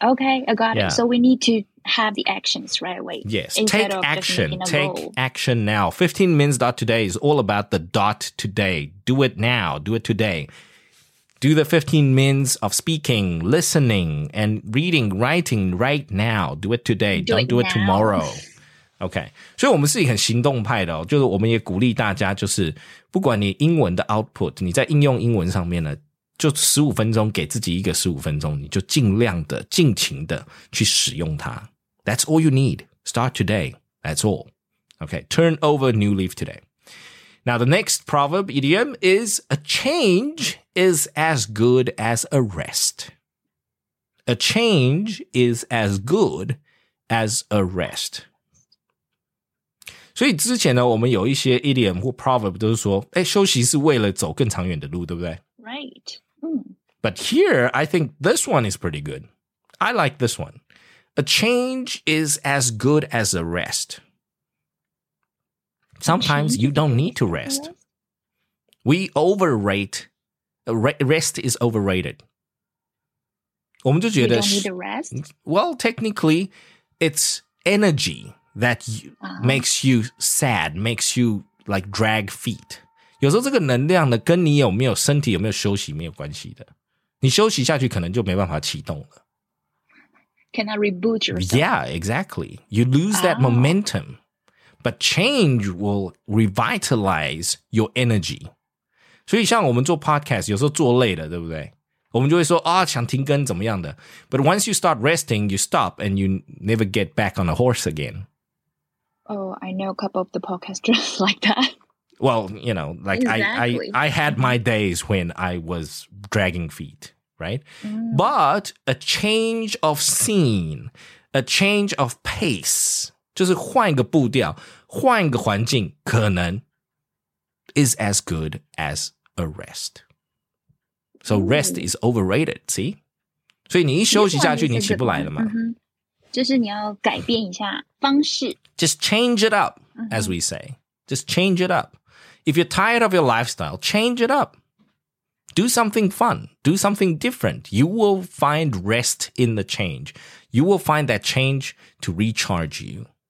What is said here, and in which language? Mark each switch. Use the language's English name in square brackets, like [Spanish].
[English] Okay, I got it. So we need to have the actions right away. Yes, take action. Take action now. 15minutes.today is all about the dot today. Do it now. Do it today. Do the 15 minutes of speaking, listening, and reading, writing right now. Do it today. Don't do it tomorrow. Okay. [Chinese] 所以我们是很行动派的哦，就是我们也鼓励大家，就是不管你英文的 output, 你在应用英文上面呢就15分钟给自己一个15分钟你就尽量的尽情的去使用它 [English] That's all you need Start today That's all Okay, turn over new leaf today Now the next proverb idiom is A change is as good as a rest A change is as good as a rest [Chinese] 所以之前呢我们有一些 idiom 或 proverb 都是说诶休息是为了走更长远的路对不对 [English] Right. But here, I think this one is pretty good. I like this one. A change is as good as a rest. Sometimes you don't need to rest. We overrate. Rest is overrated. We don't need to rest? Well, technically, it's energy that makes you sad, makes you like drag feet. [Chinese] 有时候这个能量呢跟你有没有身体有没有休息没有关系的。你休息下去可能就没办法启动了。 [English] cannot reboot yourself. Yeah, exactly. You lose that momentum. But change will revitalize your energy. [Chinese] 所以像我们做 podcast, 有时候做累了，对不对？我们就会说啊，想停更怎么样的。 [English] But once you start resting, you stop and you never get back on a horse again. Oh, I know a couple of the podcasters like that. Well, you know, like exactly. I had my days when I was dragging feet, right? Mm. But a change of scene, a change of pace, [Chinese] 就是换一个步调，换一个环境，可能 [English] is as good as a rest. So rest is overrated, see? [Chinese] 所以你一休息下去你起不来了嘛。就是你要改变一下方式。 [English] Just change it up, as we say. Just change it up. If you're tired of your lifestyle, change it up. Do something fun. Do something different. You will find rest in the change. You will find that change to recharge you.